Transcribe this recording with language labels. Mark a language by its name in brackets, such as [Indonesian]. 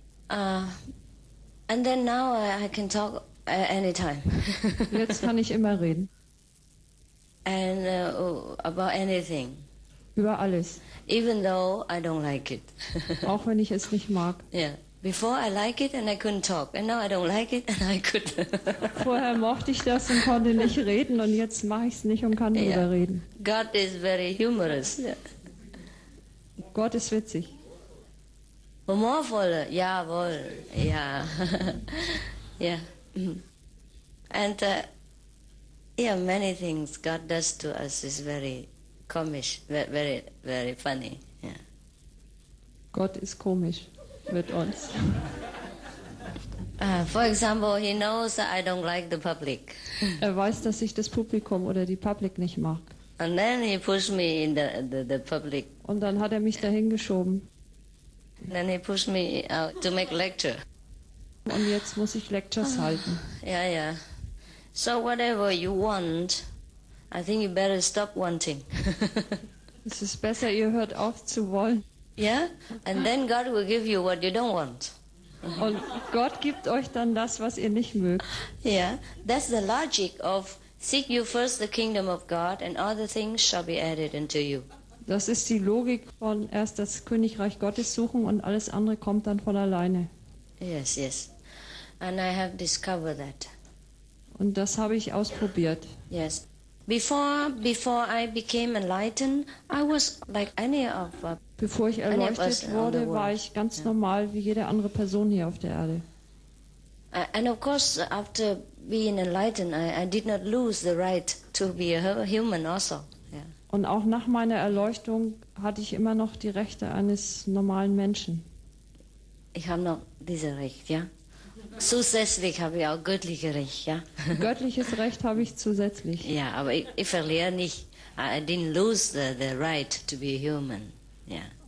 [English] Yeah. And then now I can talk anytime. [German] Jetzt kann ich immer reden. [English] And about anything. [German] Über alles. [English] Even though I don't like it. [German] Auch wenn ich es nicht mag. Yeah. [English] Before I liked it and I couldn't talk. And now I don't like it and I could. [German] Vorher mochte ich das und konnte nicht reden und jetzt mache ich es nicht und kann drüber reden. [English] God is very humorous. [German] Gott ist witzig. Humorvoll. Jawohl. Ja. Ja. [English] And many things God does to us is very komisch, very very funny. Yeah. [German] Gott ist komisch. Mit uns. [English] For example, he knows that I don't like the public. [German] Er weiß, dass ich das Publikum oder die Public nicht mag. [English] And then he pushed me in the public. [German] Und dann hat er mich dahin geschoben. [English] And then he pushed me out to make lecture. [German] Und jetzt muss ich Lectures halten. Yeah, yeah. [English] So whatever you want, I think you better stop wanting. [German] Es ist besser, ihr hört auf zu wollen. [English] Yeah, and then God will give you what you don't want. [German] Und Gott gibt euch dann das, was ihr nicht mögt. [English] Yeah, that's the logic of seek you first the kingdom of God and other things shall be added unto you. [German] Das ist die Logik von erst das Königreich Gottes suchen und alles andere kommt dann von alleine. Yes, yes. [English] And I have discovered that. [German] Und das habe ich ausprobiert. Yes. [English] Before I became enlightened, I was like any of us. [German] Bevor ich erleuchtet wurde, war ich ganz normal wie jede andere Person hier auf der Erde. [English] And of course, after being enlightened, I did not lose the right to be a human also. [German] Und auch nach meiner Erleuchtung hatte ich immer noch die Rechte eines normalen Menschen. Ich habe noch diese Recht, ja. Zusätzlich habe ich auch göttliche Recht, ja. Göttliches Recht habe ich zusätzlich. Ja, aber ich verliere nicht, [English] I didn't lose the right to be human, ja. Yeah.